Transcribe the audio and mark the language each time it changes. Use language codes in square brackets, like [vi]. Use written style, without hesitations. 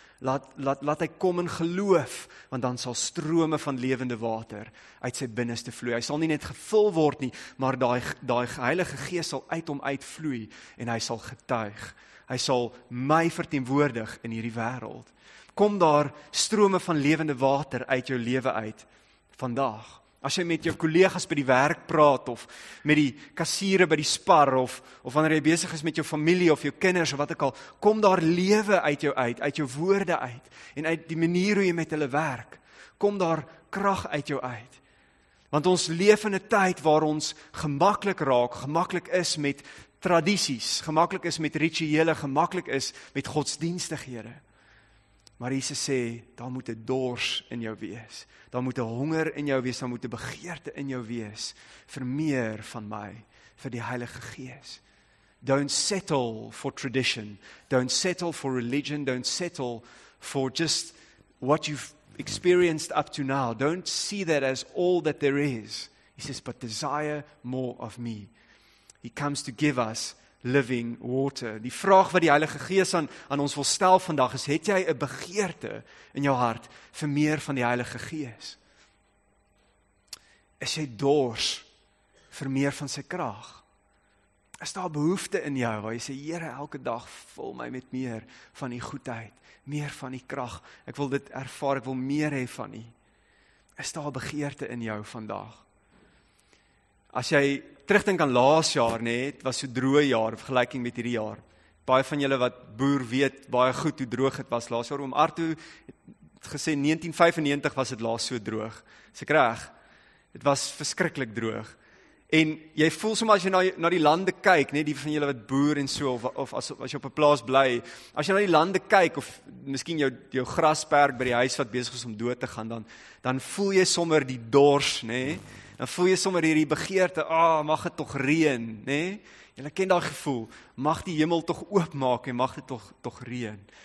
[af] laat hy kom in geloof, want dan sal strome van lewende water uit sy binneste vloei. Hy sal nie net gevul word nie, maar daai Heilige Gees sal uit hom uitvloei en hy sal getuig. Hy sal my verteenwoordig in hierdie wêreld. Kom daar strome van lewende water uit jou lewe uit vandag. As jy met jou kollegas by die werk praat, of met die kassiere by die spar, of wanneer jy besig is met jou familie, of jou kinders, of wat ek al, kom daar lewe uit jou uit, uit jou woorde uit, en uit die manier hoe jy met hulle werk, kom daar krag uit jou uit. Want ons leef in 'n tyd waar ons gemaklik raak, gemaklik is met tradisies, gemaklik is met rituele, gemaklik is met godsdienstighede. Maar Jesus sê, daar moet 'n dors in jou wees, daar moet 'n honger in jou wees, daar moet 'n begeerte in jou wees, vir meer van my, vir die Heilige Gees. [en] Don't settle for tradition, don't settle for religion, don't settle for just what you've experienced up to now. Don't see that as all that there is. He says, but desire more of me. He comes to give us living water. [af] Die vraag wat die Heilige Gees aan ons wil stel vandag is, het jy 'n begeerte in jou hart vir meer van die Heilige Gees? Is jy dors vir meer van sy krag? Is daar behoefte in jou waar jy sê, Here, elke dag vul my met meer van die goedheid, meer van die krag, ek wil dit ervaar, ek wil meer hê van U. Is daar begeerte in jou vandag? As jy terugdink aan laas jaar, het was so droë jaar, vergelyking met hierdie jaar. Baie van julle wat boer weet, baie goed hoe droog het was laas jaar. Oom Arto het gesê, 1995 was het laas so droog. Sê krijg, het was verskrikkelijk droog. En jy voel soms as jy na die lande kyk, die van julle wat boer en so, of as jy op 'n plaas bly, as jy na die lande kyk, of miskien jou grasperk by die huis wat besig is om dood te gaan, dan voel jy sommer die dors, dan voel jy sommer hierdie begeerte, mag het toch reën, Julle ken daai gevoel, mag die hemel toch oopmaak en mag dit toch reën.